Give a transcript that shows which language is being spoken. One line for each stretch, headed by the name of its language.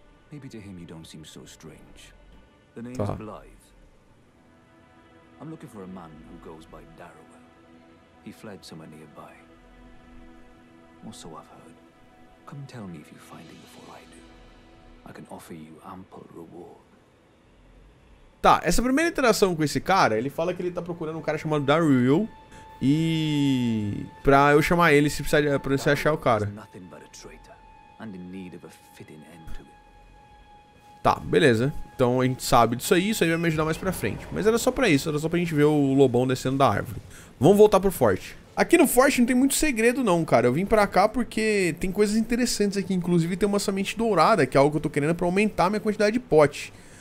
English: Maybe to him you don't seem so strange. The name is Blythe. I'm looking for a man who goes by Darrow. He fled somewhere nearby. Or so I've heard. Come tell me if you find him before I do. I can offer you ample reward.
Portuguese: Tá, essa primeira interação com esse cara, ele fala que ele tá procurando um cara chamado Darryl. E pra eu chamar ele se precisar pra você achar o cara.
English: Nothing but a traitor, and in need of a fitting end to it.
Portuguese: Tá, beleza. Então a gente sabe disso aí, isso aí vai me ajudar mais pra frente. Mas era só pra isso, era só pra gente ver o lobão descendo da árvore. Vamos voltar pro forte. Aqui no Forte não tem muito segredo não, cara. Eu vim pra cá porque tem coisas interessantes aqui. Inclusive tem uma semente dourada, que é algo que eu tô querendo pra aumentar a minha quantidade de pote.